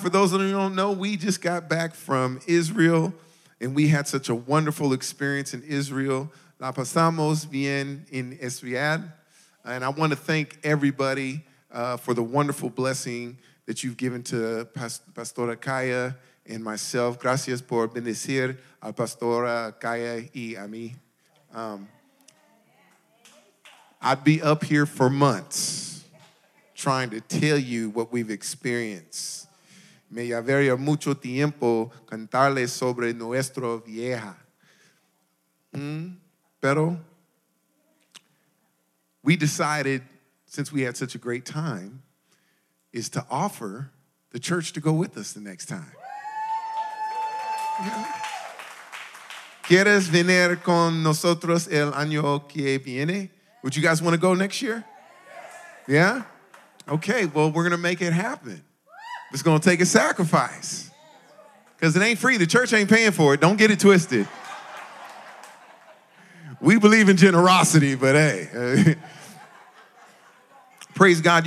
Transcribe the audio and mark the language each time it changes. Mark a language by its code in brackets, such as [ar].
[en] For those of you who don't know, we just got back from Israel, and we had such a wonderful experience in Israel. [es] La pasamos bien en Israel. [en] And I want to thank everybody for the wonderful blessing that you've given to Pastora Kaya and myself. [es] Gracias por bendecir a Pastora Kaya y a mí. [en] I'd be up here for months trying to tell you what we've experienced. [es] Me llevaría mucho tiempo cantarle sobre nuestra vieja. [en] Pero we decided, since we had such a great time, is to offer the church to go with us the next time. [es] ¿Quieres venir con nosotros el año que viene? [en] Would you guys want to go next year? Yeah? Okay, well, we're going to make it happen. It's going to take a sacrifice. Because it ain't free. The church ain't paying for it. Don't get it twisted. We believe in generosity, but hey. Praise God.